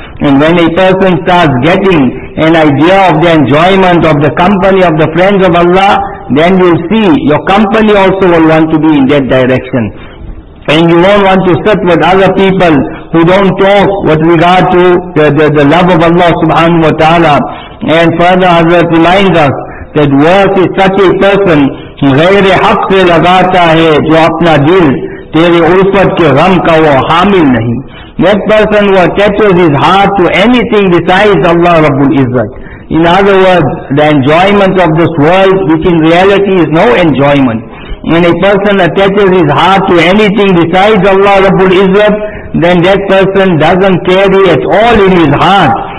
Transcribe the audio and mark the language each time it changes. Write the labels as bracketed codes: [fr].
[en] And when a person starts getting an idea of the enjoyment of the company of the friends of Allah, then you see your company also will want to be in that direction. And you won't want to sit with other people who don't talk with regard to the love of Allah subhanahu wa ta'ala. And further, Hazrat reminds us that worse is such a person, [ur] غیر حق سے لگاتا ہے جو اپنا دل تیرے عرفت کے غم کا وہ حامل نہیں. [en] That person who attaches his heart to anything besides Allah Rabbul Izzat. In other words, the enjoyment of this world, which in reality is no enjoyment. When a person attaches his heart to anything besides Allah Rabbul Izzat, then that person doesn't carry at all in his heart